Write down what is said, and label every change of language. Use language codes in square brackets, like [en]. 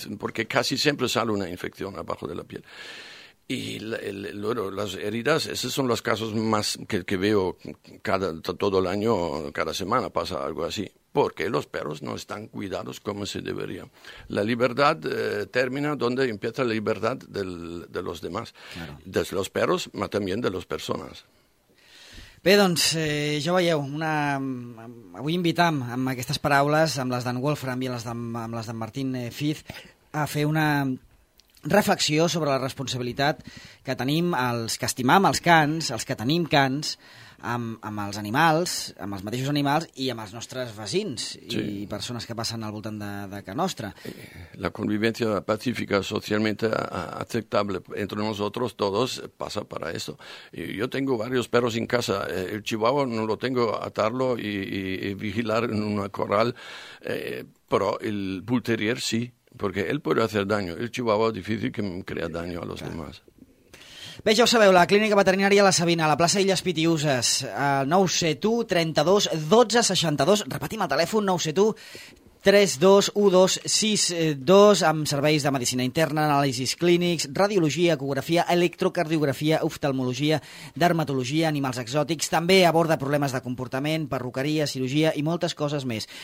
[es] Porque casi siempre sale una infección abajo de la piel. Y luego las heridas, esos son los casos más que veo todo el año, cada semana pasa algo así. Porque los perros no están cuidados como se debería. La libertad termina donde empieza la libertad de los demás. Claro. De los perros, pero también de las personas. [ca] Bé, doncs, ja ho veieu, avui invitam amb aquestes paraules, amb les d'en Wolfram i amb les d'en Martín Fiz, a fer una reflexió sobre la responsabilitat que tenim els que estimam els cans, els que tenim cans, amb els animals, amb els mateixos animals i amb els nostres veïns sí. I persones que passen al voltant de casa nostra. La convivència pacífica socialment acceptable [es] entre nosotros todos pasa para esto. Yo tengo varios perros en casa. El chihuahua no lo tengo atarlo y vigilar en una corral, pero el bull terrier sí, porque él puede hacer daño. El chihuahua es difícil que crea daño a los demás. [ca] Bé, ja ho sabeu, la Clínica Veterinària La Savina, a la plaça Illes Pitiuses, 971-32-12-62, repetim el telèfon, 971-32-12-62, amb serveis de medicina interna, anàlisis clínics, radiologia, ecografia, electrocardiografia, oftalmologia, dermatologia, animals exòtics, també aborda problemes de comportament, perruqueria, cirurgia i moltes coses més.